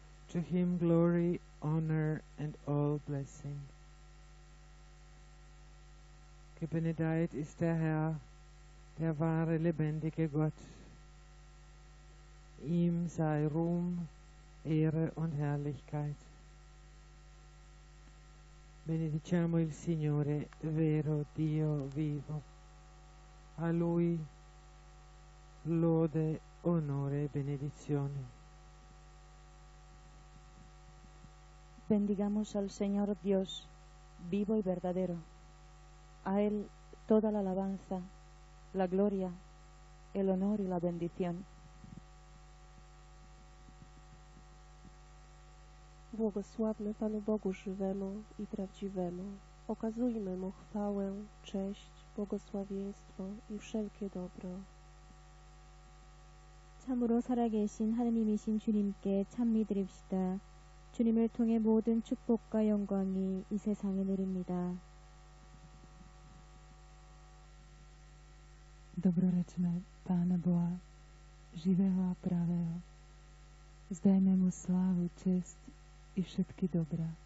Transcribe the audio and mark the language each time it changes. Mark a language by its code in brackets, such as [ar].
[en] To him glory, honor and all blessing. [de] Gebenedeit ist der Herr, der wahre lebendige Gott. Ihm sei Ruhm, Ehre und Herrlichkeit. [it] Benediciamo il Signore, vero Dio vivo. A Lui lode, onore e benedizione. [es] Bendigamos al Señor Dios, vivo y verdadero. A Él toda la alabanza, la gloria, el honor y la bendición. [pl] Błogosławmy Panu Bogu żywemu i prawdziwemu. Okazujmy Mu chwałę, cześć, błogosławieństwo i wszelkie dobro. [ko] 참으로 살아계신 하느님이신 주님께 찬미드립시다. 주님을 통해 모든 축복과 영광이 이 세상에 내립니다. [pl] Dobroreczmy Pana Boga żywego i prawego. Zdajmy Mu sławę, cześć i wszystkie dobra.